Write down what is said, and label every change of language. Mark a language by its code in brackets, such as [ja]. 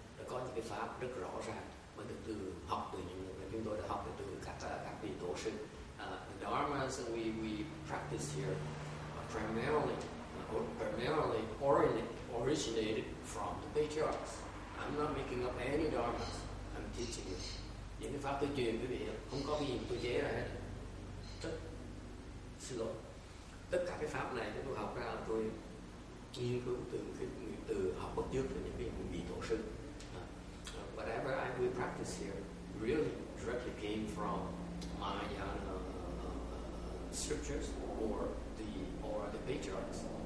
[vi] Đã có những cái pháp rất rõ ràng mà được từ học từ những người mà chúng tôi đã học được từ các vị tổ sư. [en] The dharmas that we practice here are primarily originated from the patriarchs. I'm not making up any dharmas. I'm teaching you. [vi] Những cái pháp tôi truyền quý vị không có gì tôi chế ra hết. Tất cả cái pháp này tôi học ra tôi nghiên cứu từ học bất chước từ những vị tổ sư. [en] Whatever I we practice here really directly came from Mahayana scriptures or the patriarchs.